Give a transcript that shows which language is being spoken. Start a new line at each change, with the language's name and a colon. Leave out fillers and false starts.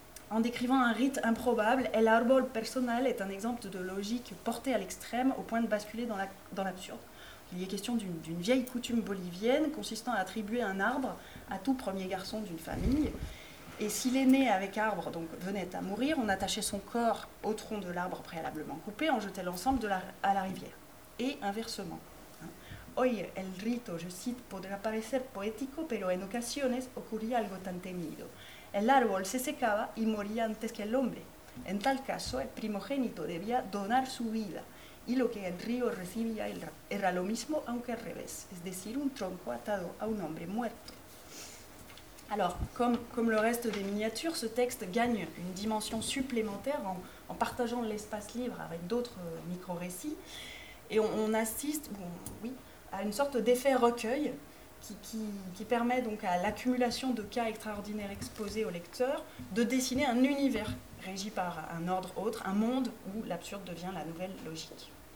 French: En décrivant un rite improbable, El árbol personal est un exemple de logique portée à l'extrême au point de basculer dans l'absurde. Il y est question d'une vieille coutume bolivienne consistant à attribuer un arbre à tout premier garçon d'une famille. Et si l'aîné avec arbre donc, venait à mourir, on attachait son corps au tronc de l'arbre préalablement coupé, on jetait l'ensemble à la rivière. Et inversement.
Spanish: Hoy el rito,
French: je cite,
Spanish: podría parecer poético, pero en ocasiones ocurría algo tan temido. El árbol se secaba y moría antes que el hombre. En tal caso, el primogénito debía donar su vida. Y lo que el río recibía era lo mismo, aunque al revés, es decir, un tronco atado a un hombre muerto.
French: Alors, comme le reste des miniatures, ce texte gagne une dimension supplémentaire en partageant l'espace libre avec d'autres micro-récits. Et on assiste à une sorte d'effet recueil qui permet donc à l'accumulation de cas extraordinaires exposés au lecteur de dessiner un univers régi par un ordre autre, un monde où l'absurde devient la nouvelle logique.